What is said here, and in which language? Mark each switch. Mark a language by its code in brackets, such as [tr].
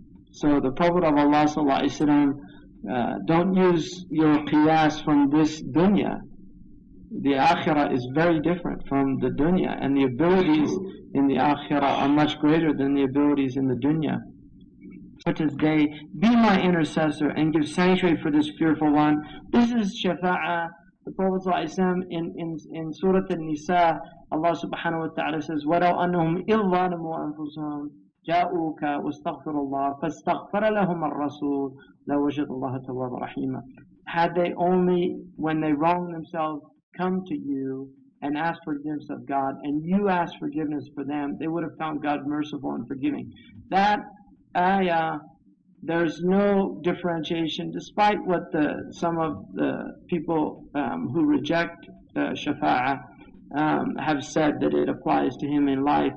[en] So the Prophet of Allah sallallahu alaihi wasallam, don't use your qiyas from this dunya. The akhirah is very different from the dunya, and the abilities in the akhirah are much greater than the abilities in the dunya. Such as they, be my intercessor and give sanctuary for this fearful one. This is shafa'a. The Prophet in Surah An-Nisa, Allah subhanahu wa ta'ala says, [ar] وَلَوْ أَنَّهُمْ إِلَّا ظَلَمُوا أَنفُسَهُمْ جَاءُوكَ وَاسْتَغْفِرُوا اللَّهَ فَاسْتَغْفَرَ لَهُمَ الرَّسُولُ لَوَجَدُ اللَّهَ تَوَّابًا رَحِيمًا. [en] Had they only, when they wrong themselves, come to you and ask forgiveness of God, and you ask forgiveness for them, they would have found God merciful and forgiving. That ayah, there's no differentiation, despite what some of the people who reject shafa'ah have said, that it applies to him in life.